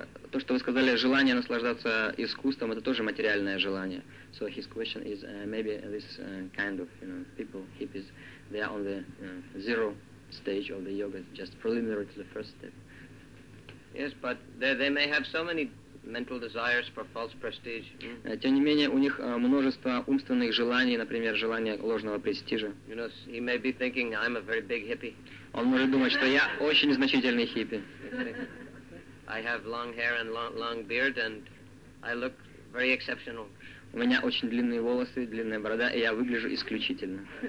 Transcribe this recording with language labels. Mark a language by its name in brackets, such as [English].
[Russian] То, что вы сказали, желание наслаждаться искусством, это тоже материальное желание. [English] So his question is, maybe this kind of, you know, people, hippies, they are on the zero stage of the yoga, just preliminary to the first step. Yes, but they may have so many mental desires for false prestige. [Russian] Тем не менее, у них множество умственных желаний, например, желание ложного престижа. [English] You know, he may be thinking, I'm a very big hippie. [Russian] Он может думать, что я очень значительный хиппи. [English] I have long hair and long beard, and I look very exceptional. [Russian] У меня очень длинные волосы, длинная борода, и я выгляжу исключительно.